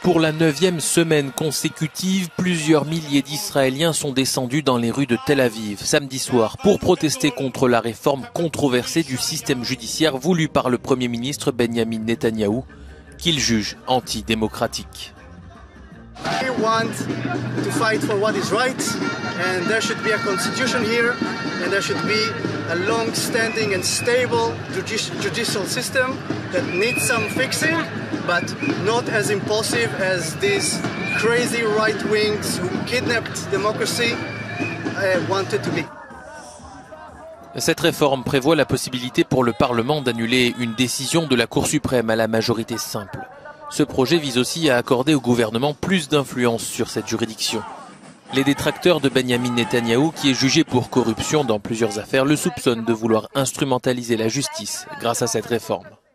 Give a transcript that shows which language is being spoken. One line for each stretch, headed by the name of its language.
French: Pour la 9e semaine consécutive, plusieurs milliers d'Israéliens sont descendus dans les rues de Tel Aviv samedi soir pour protester contre la réforme controversée du système judiciaire voulue par le Premier ministre Benjamin Netanyahou, qu'il juge antidémocratique.
English: I want to fight for what is right, and there should be a constitution here, and there should be a long-standing and stable judicial system that needs some fixing, but not as impulsive as these crazy right-wings who kidnapped democracy wanted to be.
French: Cette réforme prévoit la possibilité pour le Parlement d'annuler une décision de la Cour suprême à la majorité simple. Ce projet vise aussi à accorder au gouvernement plus d'influence sur cette juridiction. Les détracteurs de Benjamin Netanyahou, qui est jugé pour corruption dans plusieurs affaires, le soupçonnent de vouloir instrumentaliser la justice grâce à cette réforme.